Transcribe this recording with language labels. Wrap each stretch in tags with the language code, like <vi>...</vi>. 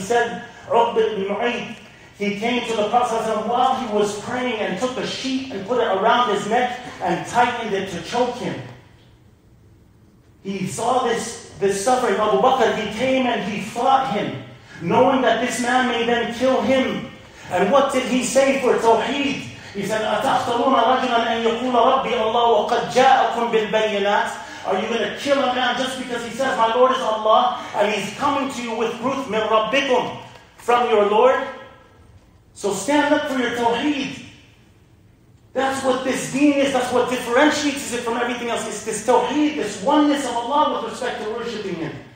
<en>He said, Uqba ibn Mu'ayth, he came to the Prophet while he was praying and took a sheet and put it around his neck and tightened it to choke him. He saw this suffering. Abu Bakr, he came and he fought him, knowing that this man may then kill him. And what did he say for Tawheed? He said,</en> <ar>أَتَخْتَرُونَ رَجْلًا أَن يَقُولَ رَبِّي اللَّهُ وَقَدْ جَاءَكُمْ بِالْبَيِّنَاتِ.</ar> <en>Are you going to kill a man just because he says, my Lord is Allah, and he's coming to you with proof,</en> <ar>مِنْ رَبِّكُمْ,</ar> <en>from your Lord? So stand up for your Tawheed. That's what this deen is, that's what differentiates it from everything else. It's this Tawheed, this oneness of Allah with respect to worshipping Him.</en>